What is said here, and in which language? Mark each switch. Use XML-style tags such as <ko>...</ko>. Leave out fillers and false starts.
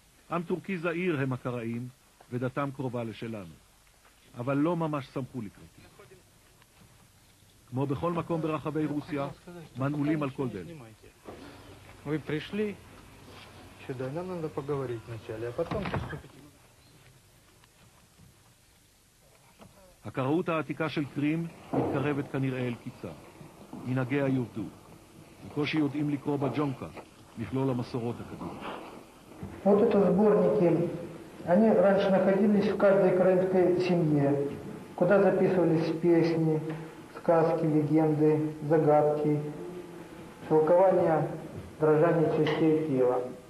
<he>עם טורקי זעיר הם הקראים, ודתם קרובה לשלנו, אבל לא ממש סמכו לקראתי. כמו בכל מקום ברחבי רוסיה, מנעולים על כל דלת.</he> <ru>Вы пришли? Сюда нам надо поговорить вначале, а потом приступить.</ru> <he>הקראות העתיקה של קרים מתקרבת כנראה אל קיצה. מנהגיה יובדו. בקושי יודעים לקרוא בג'ונקה, מכלול המסורות הקדוש.</he> <ru>Вот это сборники. Они раньше находились в каждой украинской семье, куда записывались песни, сказки, легенды, загадки, толкования дрожания частей тела.</ru>